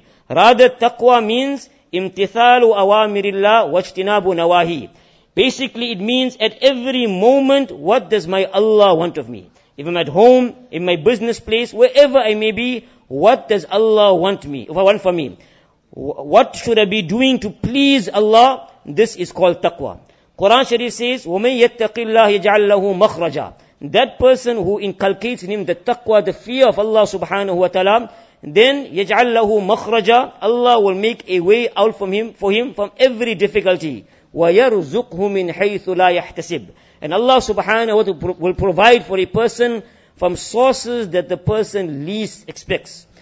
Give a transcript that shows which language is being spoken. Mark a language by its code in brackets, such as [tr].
[en] Rather, taqwa means [ar] imtithalu awamirillah wajtinabu nawahi. [en] Basically, it means at every moment, what does my Allah want of me? If I'm at home, in my business place, wherever I may be, what does Allah want for me? What should I be doing to please Allah? This is called taqwa. Quran Sharif says, [ar] وَمَن يَتَّقِ اللَّهِ يَجْعَلْ لَهُ مَخْرَجًا. [en] That person who inculcates in him the taqwa, the fear of Allah subhanahu wa ta'ala, then [ar] يَجْعَلْ لَهُ مَخْرَجًا. [en] Allah will make a way out for him from every difficulty. [ar] وَيَرْزُقْهُ مِنْ حَيْثُ لَا يَحْتَسِبْ. [en] And Allah subhanahu wa ta'ala will provide for a person from sources that the person least expects.